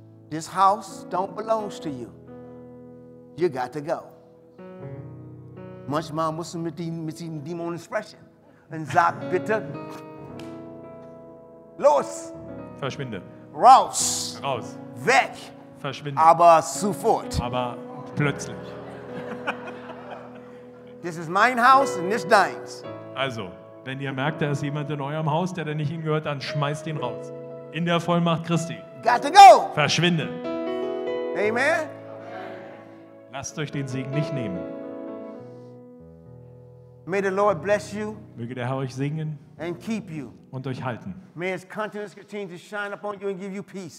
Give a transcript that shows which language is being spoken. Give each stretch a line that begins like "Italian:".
English: This house don't belongs to you. You got to go.
German: Manchmal muss man mit diesem Dämon sprechen und sagt bitte los, verschwinde, raus, raus, weg, verschwinde, aber sofort, aber plötzlich.
English: This is
German: mein Haus
English: and this
German: deins. Also, wenn ihr merkt, da ist jemand in eurem Haus, der da nicht hingehört, dann schmeißt ihn raus. In der Vollmacht Christi.
English: Got to go.
German: Verschwinde. Amen. Lasst euch den Segen nicht nehmen.
English: May the Lord bless you.
German: Möge der Herr euch segnen.
English: And keep you.
German: Und euch halten.
English: May his countenance continue to shine upon you and give you peace.